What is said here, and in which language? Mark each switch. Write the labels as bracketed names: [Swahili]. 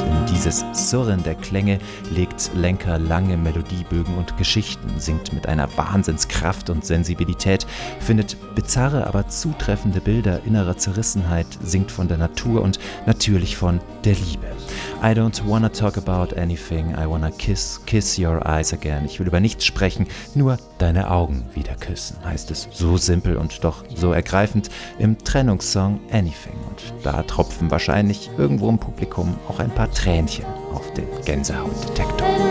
[German] Dieses Surren der Klänge legt Lenker lange Melodiebögen und Geschichten, singt mit einer Wahnsinnskraft und Sensibilität, findet bizarre, aber zutreffende Bilder innerer Zerrissenheit, singt von der Natur und natürlich von der Liebe. [English] I don't wanna talk about anything, I wanna kiss, kiss your eyes again. [German] Ich will über nichts sprechen, nur deine Augen wieder küssen, heißt es so simpel und doch so ergreifend im Trennungssong Anything. Und da tropfen wahrscheinlich irgendwo im Publikum auch ein paar Tränen auf den Gänsehautdetektor.